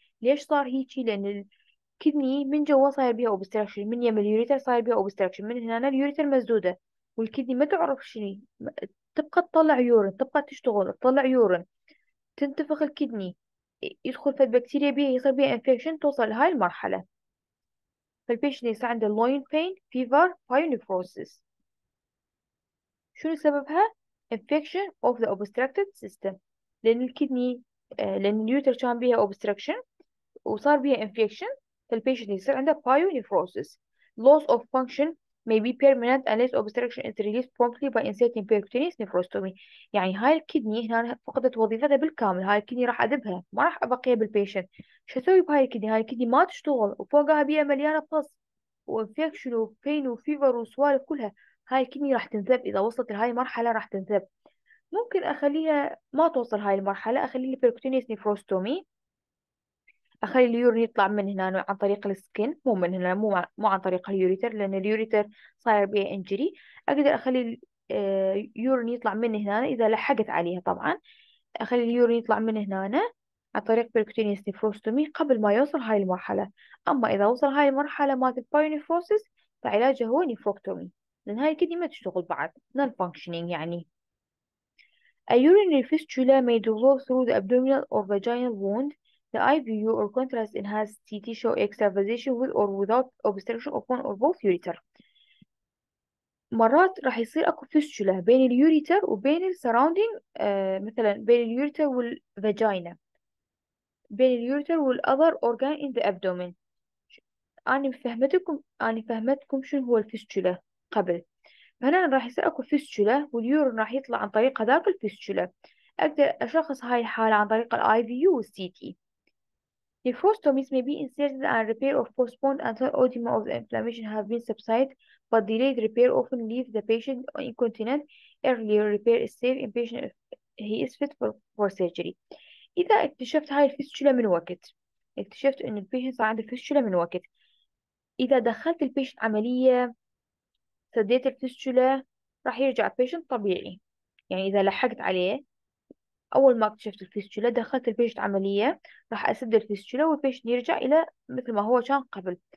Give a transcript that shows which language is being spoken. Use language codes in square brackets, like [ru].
[ar] ليش صار هيك؟ لان الكدني من جوا صاير بيها اوبستراكشن، من يم اليوريتر صاير بيها اوبستراكشن، من هنا اليوريتر مسدودة، والكدني ما تعرف شني، تبقى تطلع يورين، تبقى تشتغل تطلع يورين، تنتفخ الكدني، يدخل في البكتيريا بيها، يصير بيها انفكشن، توصل لهاي المرحلة. فالبيشن يصير عنده [en] loin pain, fever, pyonephrosis. [ar] شنو سببها؟ [en] infection of the obstructed system، [ar] لأن الكدني، لأن اليوتر كان بيها obstruction وصار بيها infection، فالبيشنت يصير عنده pyonephrosis. [en] loss of function may be permanent unless obstruction is released promptly by inserting percutaneous nephrostomy. [ar] يعني هاي الكدني هنا فقدت وظيفتها بالكامل، هاي الكدني راح أدبها، ما راح أبقيها بالبيشنت. شو أسوي بهاي الكدني؟ هاي الكدني ما تشتغل، وفوقها بيها مليانة فص وانفكشن وبين وفيفر وسوالف كلها. هاي الكدني راح تنذب، إذا وصلت لهاي المرحلة راح تنذب. ممكن أخليها ما توصل هاي المرحلة، أخلي لي [en] percutaneous nephrostomy، [ar] اخلي اليورين يطلع من هنا عن طريق السكن، مو من هنا، مو عن طريق اليوريتر، لان اليوريتر صاير بيه انجري. اقدر اخلي اليورين يطلع من هنا اذا لحقت عليها، طبعا اخلي اليورين يطلع من هنا عن طريق بيركوتينيوس نيفروستومي قبل ما يوصل هاي المرحله. اما اذا وصل هاي المرحله مات البايونيفروسيس، فعلاجه هو نيفروكتومي، لان هاي الكدني ما تشتغل بعد، نون فانكشنينج. [en] يعني A urinary fistula may develop through the abdominal or vaginal wound. The IVU or contrast enhanced CT show extravasation with or without obstruction of one or both ureter. [ar] مرات راح يصير اكو فيستشولا بين اليوريتر وبين السراوندينج، مثلا بين اليوريتر والفاجينا، بين اليوريتر والاذر اورجان ان ذا ابدومين. انا فهمتكم شنو هو الفيستشولا قبل. فهنا راح يصير اكو فيستشولا، واليورين راح يطلع عن طريق هذاك الفيستشولا. اقدر اشخص هاي الحاله عن طريق الاي في يو والسي تي. [en] Nephrostomies may be inserted and repair or postponed until edema of the inflammation have been subsided, but delayed repair often leaves the patient incontinent. Earlier repair is safe in patient if he is fit for surgery. [ar] إذا اكتشفت هاي الفيستشولا من وقت، اكتشفت إن البيشنت صار عنده فيستشولا من وقت، إذا دخلت البيشنت عملية، سديت الفيستشولا، راح يرجع البيشنت طبيعي. يعني إذا لحقت عليه اول ما اكتشفت الفيستشولا، دخلت البيشنت عمليه، راح اسد الفيستشولا والبيشنت يرجع الى مثل ما هو كان قبل.